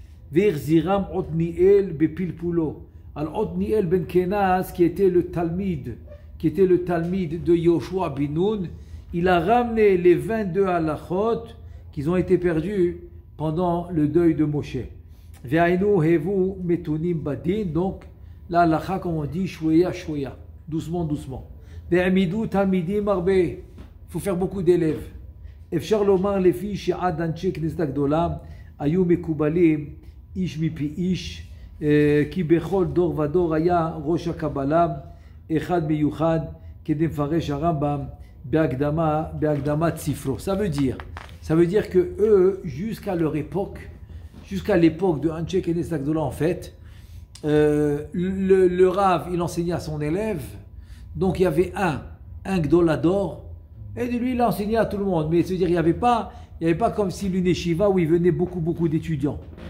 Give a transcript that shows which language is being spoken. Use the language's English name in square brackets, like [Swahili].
[French] Verziram Otniel Bepilpulo. Alors Otniel ben Kenaz, qui était le Talmid de Yoshua Binoun, il a ramené les 22 halachot qui ont été perdus pendant le deuil de Moshe. Veinu hevu metunim badin. Donc la halacha, comme on dit, shoya, doucement. Veamidu talmidim arbe. Faut faire beaucoup d'élèves. [Hebrew] Efshar lomar lefi she'ad anche Knesset HaGdola ayu mekubalim איש מפי איש, כי בכל דור ודור היה ראש הקבלה אחד מיוחד, כדי מפרש הרמב״ם בהקדמת ספרו. [French] Ça veut dire que eux, jusqu'à leur époque, jusqu'à l'époque de Anche Knesset HaGdola, en fait, le Rav, il enseignait à son élève, donc il y avait un Gdolador, et lui, il enseignait à tout le monde, mais c'est-à-dire, il n'y avait pas comme si l'une Yeshiva où il venait beaucoup, beaucoup d'étudiants.